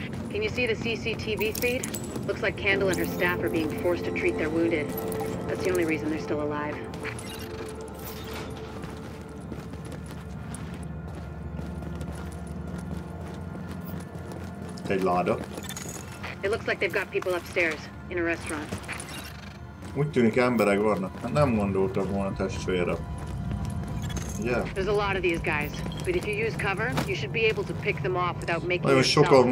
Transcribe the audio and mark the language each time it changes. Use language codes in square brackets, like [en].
[en] Can you see the CCTV feed? Looks like Candle and her staff are being forced to treat their wounded. That's the only reason they're still alive. [hu] Egy láda. [en] It looks like they've got people upstairs in a restaurant. [hu] Úgy tűnik, emberek vannak. Hát nem gondoltam volna testvére. [en] Yeah. There's a lot of these guys, but if you use cover, you should be able to pick them off without making yourself a target.